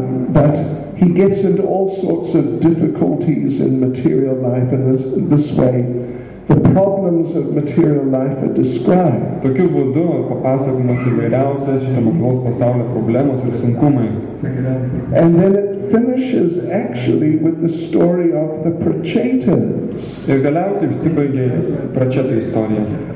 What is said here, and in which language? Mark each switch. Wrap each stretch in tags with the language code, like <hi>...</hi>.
<en>But he gets into all sorts of difficulties in material life, and this way the problems of material life are described.</en> <lt>Tokiu būdu papasakomos įvairiausios šito mokslos pasaulio problemos ir sunkumai.</lt> <en>And then it finishes actually with the story of the Prachetans.</en> <lt>Ir galiausiai užsibaigia Pracheta istorija.</lt>